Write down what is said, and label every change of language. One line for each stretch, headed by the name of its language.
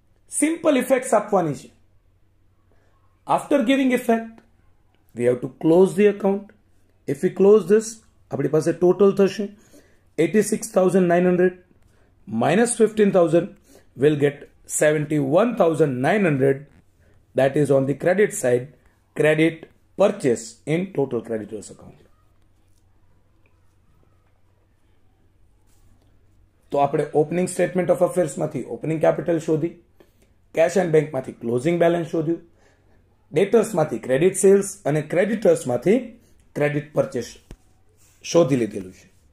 Gujarati: Simple effects આપવાની છે.
English: After giving effect we have to close the account. If you close this,
Gujarati: આપણી પાસે total થશે
English: 86,900 minus 15,000, will get 71,900. That is on the credit side, credit purchase in total creditors account.
Gujarati: તો આપણે opening statement of અફેર્સમાંથી opening capital શોધી, cache and બેંકમાંથી closing balance શોધ્યું, ડેટર્સમાંથી credit cells અને ક્રેડિટર્સમાંથી credit purchase શોધી લીધેલું છે.